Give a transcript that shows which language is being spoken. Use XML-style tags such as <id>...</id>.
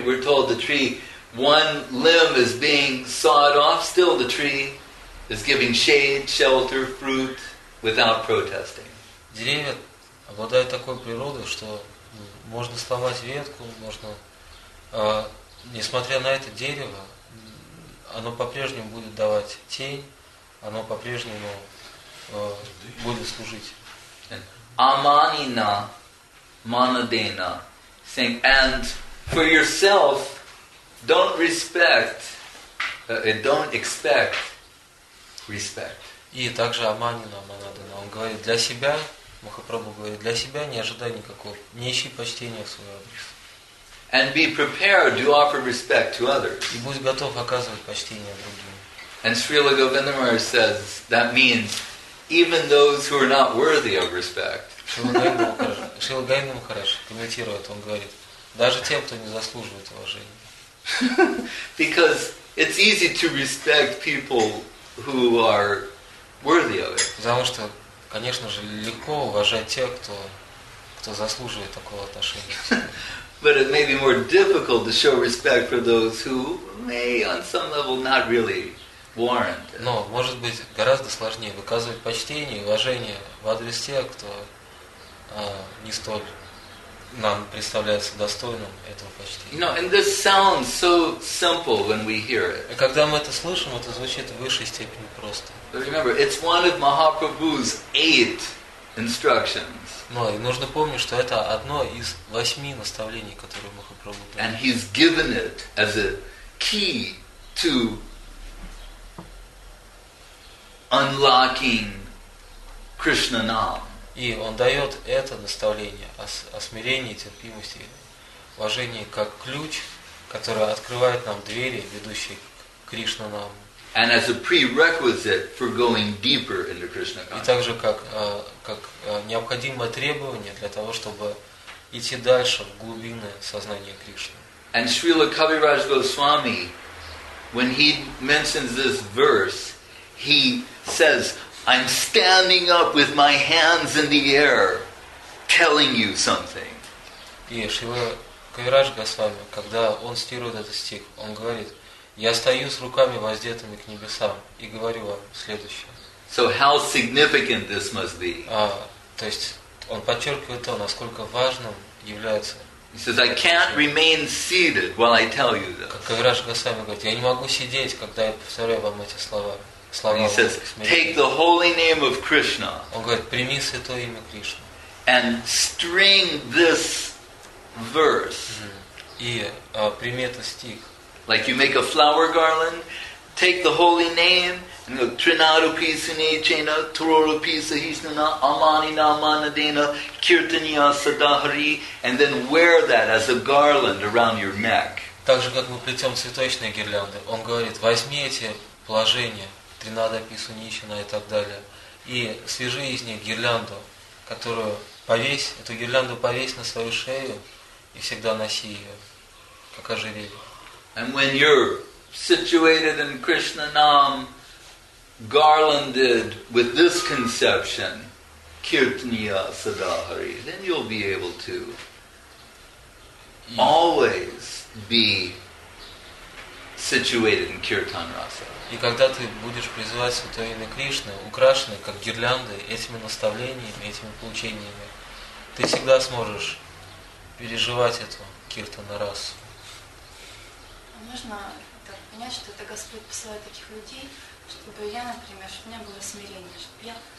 <en>We're told the tree, one limb is being sawed off, still the tree is giving shade, shelter, fruit without protesting.</en> <ru>Деревья обладают такой природой, что можно сломать ветку, можно, несмотря на это дерево, оно по-прежнему будет давать тень, оно по-прежнему будет служить.</ru> <en>Аманина манадена, saying, and for yourself, don't respect, don't expect respect.</en> <ru>И также Аманина Манадана, он говорит, для себя, Махапрабху говорит, для себя не ожидай никакого, не ищи почтения в свой адрес.</ru> <en>And be prepared to offer respect to others.</en> <ru>И будь готов оказывать почтение другим.</ru> <en>And Srila Govinda Maharaj says, that means even those who are not worthy of respect.</en> <ru>Srila Govinda Maharaj комментирует, он говорит, даже тем, кто не заслуживает уважения.</ru> <en>Because it's easy to respect people who are worthy of it.</en> <ru>Потому что, конечно же, легко уважать тех, кто заслуживает такого отношения.</ru> <en>But it may be more difficult to show respect for those who may, on some level, not really warrant.</en> <ru>Но может быть гораздо сложнее выказывать почтение и уважение в адрес тех, кто не столь нам представляется достойным этого почтения.</ru> <en>No, and this sounds so simple when we hear it.</en> <ru>И когда мы это слышим, это звучит в высшей степени просто.</ru> <en>Remember, it's one of Mahaprabhu's 8 instructions.</en> <ru>Но и нужно помнить, что это одно из 8 наставлений, которые Махапрабху дал.</ru> <en>And he's given it as a key to unlocking Krishna Nam.</en> <ru>И он дает это наставление о смирении, терпимости, уважении как ключ, который открывает нам двери, ведущие к Кришна нам.</ru> <en>And as a prerequisite for going deeper into Krishna consciousness.</en> <ru>И также как необходимое требование для того, чтобы идти дальше в глубины сознания Кришны.</ru> <en>And Srila Kaviraj Goswami, when he mentions this verse, he says, I'm standing up with my hands in the air, telling you something.</en> <ru>И Шрила Кавираж Госвами, когда он цитирует этот стих, он говорит, я стою с руками воздетыми к небесам и говорю вам следующее.</ru> <en>So how significant this must be.</en> <ru>То есть он подчеркивает то, насколько важным является.</ru> <en>He says, I can't remain seated while I tell you this.</en> <ru>Как Кавираж Госвами говорит, я не могу сидеть, когда я повторяю вам эти слова.</ru> <en>He says, take the holy name of Krishna.</en> <ru>Он говорит, прими святое имя Кришны.</ru> <en>And string this verse.</en> <ru>И прими этот стих.</ru> <en>Like you make a flower garland, take the holy name, and go</en> <sa>Trinarupi Sunichena, Tororupi Sahisnana, Amanina Manadena, Kirtaniya Sadahari,</sa> <en>and then wear that as a garland around your neck.</en> <ru>Так же, как мы плетем цветочные гирлянды, он говорит, возьми эти положения. Тринадапи, Сунищина и так далее. И свяжи из них гирлянду, которую повесь, эту гирлянду повесь на свою шею и всегда носи ее, как ожерелье.</ru> <en>And when you're situated in Krishna Nam, garlanded with this conception, Kirtaniya Sadahari, then you'll be able to always be situated in Kirtan Rasa.</en> <ru>И когда ты будешь призывать Святое имя Кришны, украшенное, как гирлянды, этими наставлениями, этими поучениями, ты всегда сможешь переживать эту киртана-расу. Можно так понять, что это Господь посылает таких людей, чтобы я, например, чтобы у меня было смирение, чтобы я...</ru>